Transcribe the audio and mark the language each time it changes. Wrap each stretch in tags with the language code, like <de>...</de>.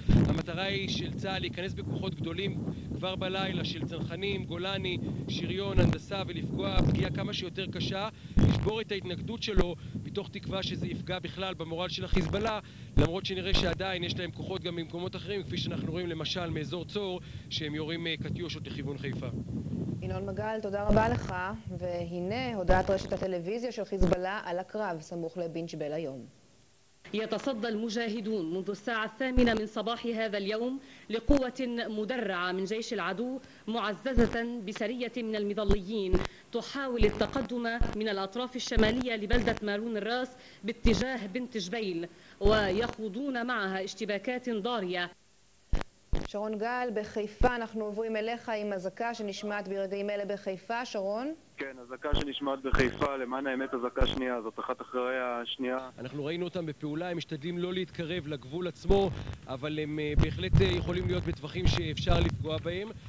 <he>המטרה היא של צה"ל להיכנס בכוחות גדולים כבר בלילה, של צנחנים, גולני, שריון, הנדסה, ולפגוע פגיעה כמה שיותר קשה, לשבור את ההתנגדות שלו, מתוך תקווה שזה יפגע בכלל במורל של החיזבאללה, למרות שנראה שעדיין יש להם כוחות גם במקומות אחרים, כפי שאנחנו רואים למשל מאזור צור, שהם יורים קטיושות לכיוון חיפה. ינון מגל, תודה רבה לך. והנה הודעת רשת הטלוויזיה של חיזבאללה על הקרב סמוך לבינג'בל היום.</he> <ar>يتصدى المجاهدون منذ الساعة 8:00 من صباح هذا اليوم لقوة مدرعة من جيش العدو معززة بسرية من المظليين تحاول التقدم من الأطراف الشمالية لبلدة مارون الراس باتجاه بنت جبيل ويخوضون معها اشتباكات ضارية.</ar> <he>שרון גל בחיפה, אנחנו עוברים אליך עם הזקה שנשמעת ברגעים אלה בחיפה. שרון? כן, הזקה שנשמעת בחיפה, למען האמת הזקה שנייה, זאת אחת אחרי השנייה. אנחנו ראינו אותם בפעולה, הם משתדלים לא להתקרב לגבול עצמו, אבל הם בהחלט יכולים להיות בטווחים שאפשר לפגוע בהם.</he>